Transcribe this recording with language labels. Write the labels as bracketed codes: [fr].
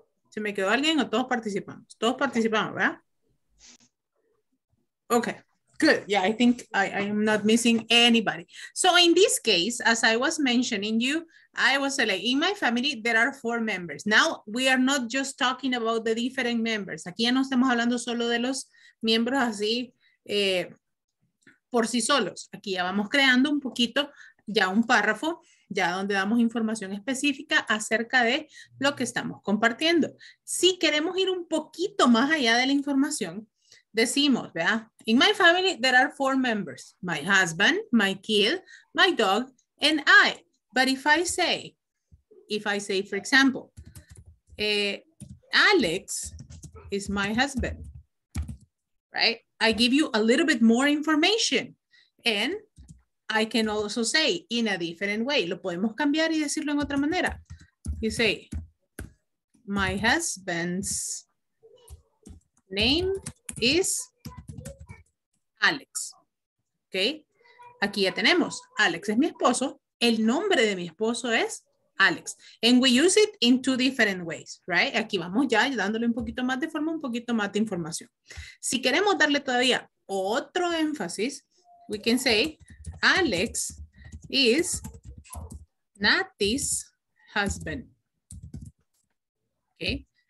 [es] ¿Se me quedó alguien o todos participamos? Todos participamos, ¿verdad? [en] Okay. Good. Yeah, I think I am not missing anybody. So in this case, as I was mentioning you, I was like, in my family, there are four members. Now we are not just talking about the different members. [es] Aquí ya no estamos hablando solo de los miembros así por sí solos. Aquí ya vamos creando un poquito, ya un párrafo, ya donde damos información específica acerca de lo que estamos compartiendo. Si queremos ir un poquito más allá de la información, decimos, ¿verdad? [en] In my family, there are four members. My husband, my kid, my dog, and I. But if I say, for example, Alex is my husband, right? I give you a little bit more information. And I can also say in a different way. [es] Lo podemos cambiar y decirlo en otra manera. [en] You say, my husband's name is Alex. Okay. [es] Aquí ya tenemos. Alex es mi esposo. El nombre de mi esposo es Alex. [en] And we use it in two different ways, right? [es] Aquí vamos ya dándole un poquito más de forma, un poquito más de información. Si queremos darle todavía otro énfasis, [en] we can say Alex is Nati's husband. Okay.